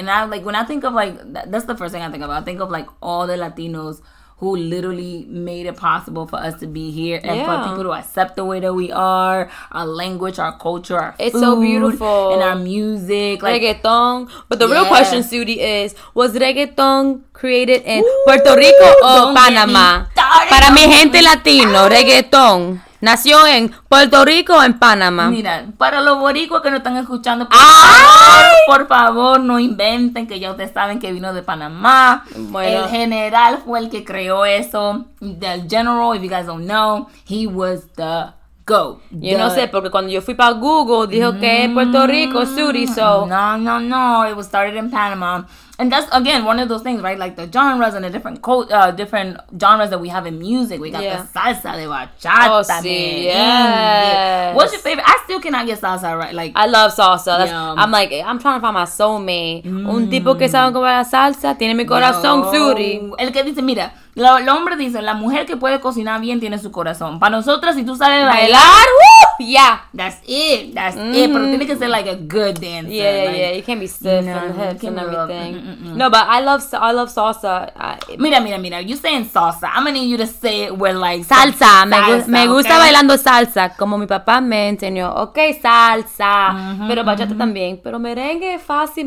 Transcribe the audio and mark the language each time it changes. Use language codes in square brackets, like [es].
[en] And I like when I think of like that's the first thing I think about. I think of like all the Latinos who literally made it possible for us to be here and for people to accept the way that we are, our language, our culture, our it's food, so beautiful, and our music, like, reggaeton. But the real question, Sudi, is was reggaeton created in Puerto Rico or Panama? [es] Para mi gente latino, reggaeton nació en Puerto Rico o en Panama. Mira, para los boricuas que nos están escuchando, por favor, no inventen, que ya ustedes saben que vino de Panamá. Bueno. El general fue el que creó eso. Del general, [en] if you guys don't know, he was the GOAT. [es] Yo no sé, porque cuando yo fui para Google, dijo que es Puerto Rico, Suri, so. [en] No, it was started in Panama. And that's, again, one of those things, right? Like, the genres and the different genres that we have in music. We got the salsa de bachata. Oh, sí, yes. What's your favorite? I still cannot get salsa right. Like, I love salsa. That's, yeah. I'm like, I'm trying to find my soulmate. Mm. [es] Un tipo que sabe comer la salsa tiene mi corazón, Suri. El que dice, mira, el hombre dice, la mujer que puede cocinar bien tiene su corazón. Para nosotras, si tú sabes bailar, [en] yeah. That's it. [es] Pero tiene que ser [en] like a good dancer. Yeah. You can't be stiff and hips and everything. No, but I love salsa. Mira. You saying salsa. I'm going to need you to say it with like [es] salsa. Me gusta bailando salsa. Como mi papá me enseñó. Ok, salsa. Mm-hmm, pero bachata también. Pero merengue es fácil.